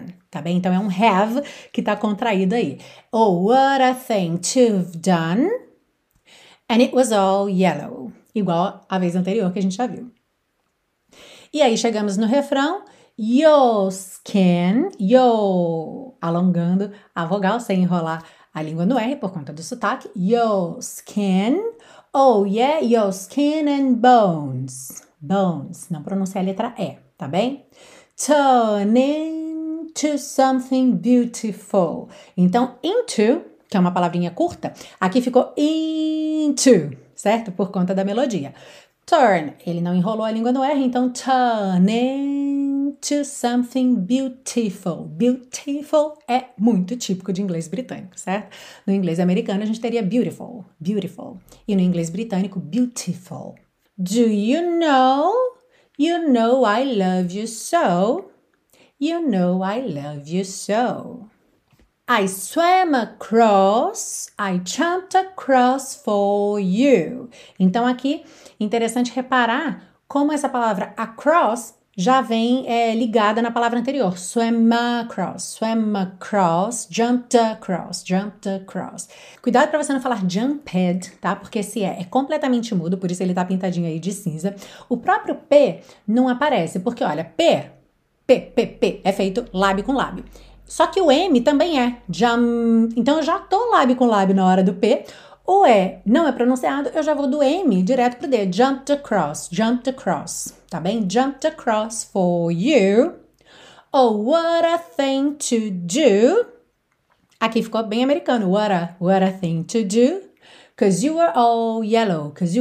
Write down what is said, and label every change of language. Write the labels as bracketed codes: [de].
[pt] Tá bem? Então, é um have que tá contraído aí. [en] Oh, what a thing to have done. And it was all yellow. [pt] Igual a vez anterior que a gente já viu. E aí, chegamos no refrão. [en] Your skin. [pt] Alongando a vogal sem enrolar a língua no R, por conta do sotaque. [en] Your skin. Oh, yeah, your skin and bones. Bones. [pt] Não pronuncie a letra E, tá bem? [en] Turning to something beautiful. [pt] Então, into, que é uma palavrinha curta, aqui ficou into, certo? Por conta da melodia. Turn. Ele não enrolou a língua no R, então [en] turning to something beautiful. [pt] Beautiful é muito típico de inglês britânico, certo? No inglês americano a gente teria beautiful, beautiful. E no inglês britânico, beautiful. [en] Do you know? You know I love you so. You know I love you so. I swam across, I jumped across for you. [pt] Então aqui, interessante reparar como essa palavra across já vem ligada na palavra anterior. [en] Swam across, jumped across. [pt] Cuidado para você não falar jumped, tá? Porque esse é completamente mudo, por isso ele tá pintadinho aí de cinza. O próprio P não aparece, porque olha, P, é feito lábio com lábio. Só que o M também é. Então, eu já tô lábio com lábio na hora do P. O E não é pronunciado, eu já vou do M direto pro D. [en] Jumped across, [pt] tá bem? [en] Jumped across for you. Oh, what a thing to do. [pt] Aqui ficou bem americano. [en] What a thing to do. Cause you were all yellow.